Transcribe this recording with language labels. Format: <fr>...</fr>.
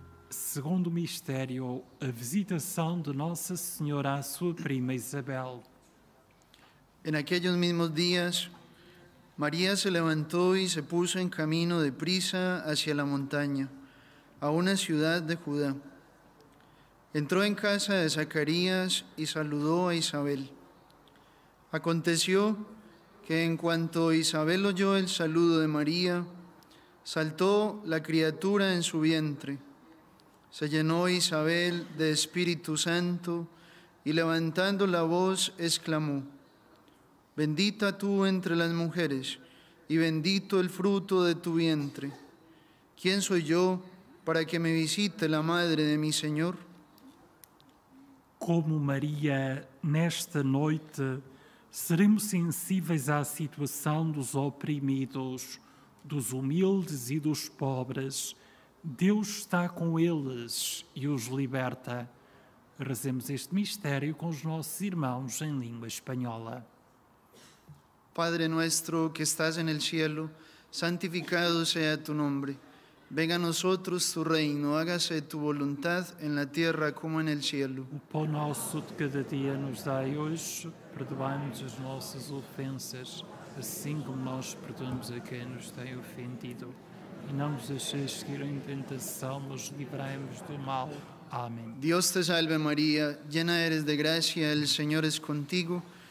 <pt>Segundo mistério, a visitação de Nossa Senhora à sua prima Isabel.</pt> <es>En aquellos mismos días, María se levantó y se puso en camino de prisa hacia la montaña, a una ciudad de Judá. Entró en casa de Zacarías y saludó a Isabel. Aconteció que en cuanto Isabel oyó el saludo de María, saltó la criatura en su vientre. Se llenó Isabel de Espíritu Santo y levantando la voz exclamó: Bendita tú entre las mujeres y bendito el fruto de tu vientre. ¿Quién soy yo para que me visite la madre de mi Señor?</es> <pt>Como María, nesta noite seremos sensíveis à situação dos oprimidos, dos humildes e dos pobres. Deus está com eles e os liberta. Rezemos este mistério com os nossos irmãos em língua espanhola.</pt> <es>Padre nuestro que estás en el cielo, santificado sea tu nombre. Venga a nosotros tu reino, hágase tu voluntad en la tierra como en el cielo.</es> <pt>O pão nosso de cada dia nos dai hoje, perdoai-nos as nossas ofensas, assim como nós perdoamos a quem nos tem ofendido. E não nos deixeis seguir em tentação, mas livrai-nos do mal. Amém. Deus te salve, Maria,</pt> <es>llena eres</es> <pt>de graça, o Senhor é contigo.</pt>